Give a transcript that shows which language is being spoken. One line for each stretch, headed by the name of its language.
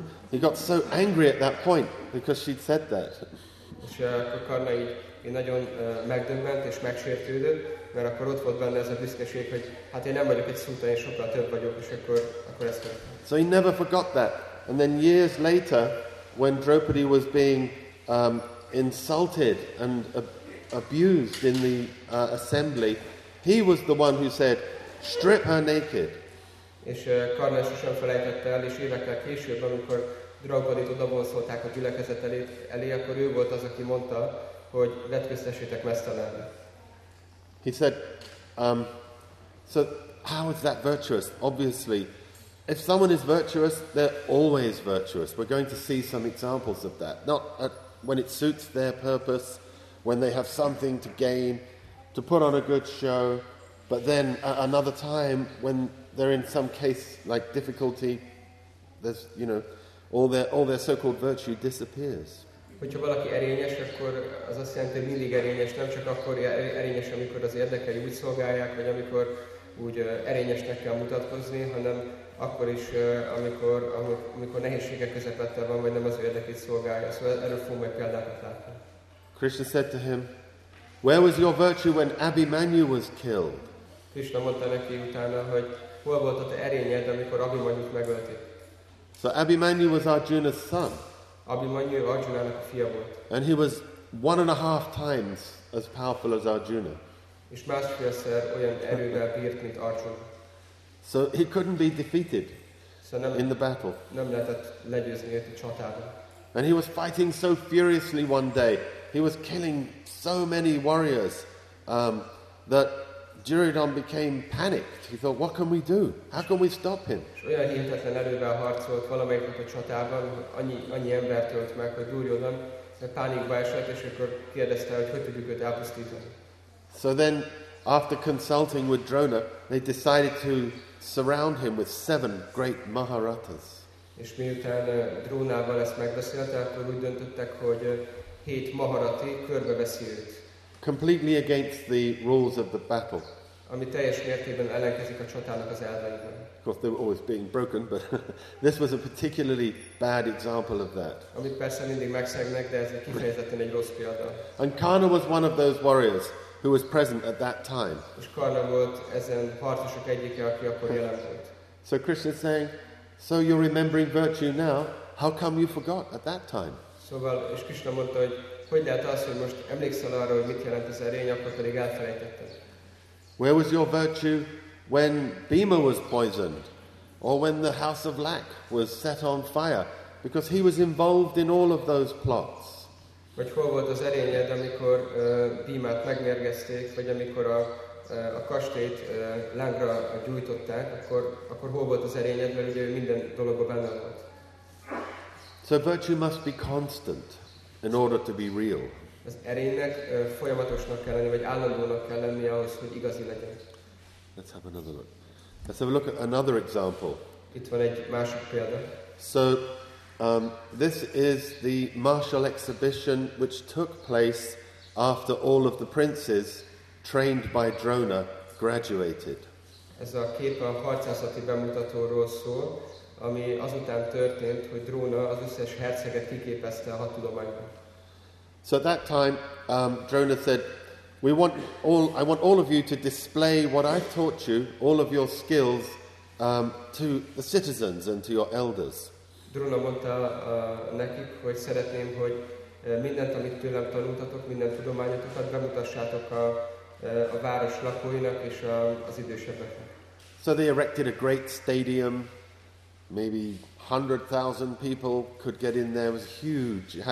English: He got so angry at that point, because she'd said that.
Hungarian: És akkor Karna így nagyon megdöbbent és megsértődött, mert akkor ott volt benne ez a büszkeség, hogy hát én nem vagyok egy szuta, én sokkal több vagyok, és akkor ezt történt.
English: So he never forgot that. And then years later, when Draupadi was being insulted and abused in the assembly, he was the one who said, "Strip her naked."
Hungarian: És Karna sosem felejtette el, és évekkel később, amikor Draupadit odavonszolták a gyülekezet elé, akkor ő volt az, aki mondta, hogy vetköztessétek mesztelenül.
English: He said, "So how is that virtuous? Obviously, if someone is virtuous, they're always virtuous. We're going to see some examples of that. Not when it suits their purpose, when they have something to gain, to put on a good show, but then another time when they're in some case like difficulty, there's, you know, all their so-called virtue disappears."
Hungarian: Hogyha valaki erényes, akkor az azt jelenti, hogy mindig erényes, nem csak akkor erényes, amikor az érdekei úgy szolgálják, vagy amikor úgy erényesnek kell mutatkozni, hanem akkor is, amikor nehézségek közepette van, vagy nem az érdekét szolgálja. Szóval erről fogunk majd példákat látni.
English: Krishna said to him, "Where was your virtue when Abhimanyu was killed?"
Hungarian: Krishna mondta neki utána, hogy hol volt a te erényed, amikor Abhimanyut megölték.
English: So Abhimanyu was Arjuna's son.
Hungarian: Abhimanyu Arjunának a fia volt.
English: And he was 1.5 times as powerful as Arjuna.
Hungarian: És másfélszer olyan erővel bírt, mint Arjuna.
English: So he couldn't be defeated in the battle.
Hungarian: Nem lehetett legyőzni őt a csatában.
English: And he was fighting so furiously one day. He was killing so many warriors that Duryodhan became panicked. He thought, what can we do? How can we stop him?
Hungarian: Olyan hihetetlen erővel harcolt valamelyik a csatában, annyi embert ölt meg, hogy Duryodhan pánikba esett, és akkor kérdezte, hogy hogy tudjuk őt elpusztítani.
English: So then, after consulting with Drona, they decided to surround him with 7 great Maharatas.
Hungarian: És miután Drónával ezt megbeszélte, akkor úgy döntöttek, hogy 7 Maharati körbeveszi őt.
English: Completely against the rules of the battle.
Hungarian: Ami teljes mértékben ellenkezik a csatának az elveiben.
English: Of course, they were always being broken, but this was a particularly bad example of that.
Hungarian: Amit persze mindig megszegnek, de ez kifejezetten egy rossz példa.
English: And Karna was one of those warriors who was present at that time.
Hungarian: És Karna volt ezen harcosok egyike, aki akkor jelen volt.
English: So Krishna is saying, so you're remembering virtue now, how come you forgot at that time?
Hungarian: Szóval, és Krishna mondta, hogy hogy lehet az, hogy most emlékszel arra, hogy mit jelent az erény, akkor pedig elfelejtetted.
English: Where was your virtue when Bhima was poisoned? Or when the house of Lak was set on fire? Because he was involved in all of those plots.
Hungarian: Vagy hol volt az erényed, amikor Bhimát megmérgezték, vagy amikor a kastélyt lángra gyújtották, akkor hol volt az erényed, mert ugye minden dologban benne volt.
English: So virtue must be constant in order to be real.
Hungarian: Az erénynek folyamatosnak kell lenni, vagy állandónak kell lenni ahhoz, hogy igazi legyen.
English: Let's have another look. Let's have a look at another example.
Hungarian: Itt van egy másik példa.
English: So, this is the martial exhibition which took place after all of the princes trained by Drona graduated.
Hungarian: Ez a kép a harcászati bemutatóról szól, ami azután történt, hogy Drona az összes herceget kiképezte a hadtudományban.
English: So at that time, Drona said, I want all of you to display what I've taught you, all of your skills, to the citizens and to your elders.
Hungarian: Drona mondta nekik, hogy szeretném, hogy mindent, amit tőlem tanultatok, minden tudományotokat bemutassátok a város lakóinak és az idősebbeknek.
English: So they erected a great stadium. Maybe 100,000 people could get in there. It was huge.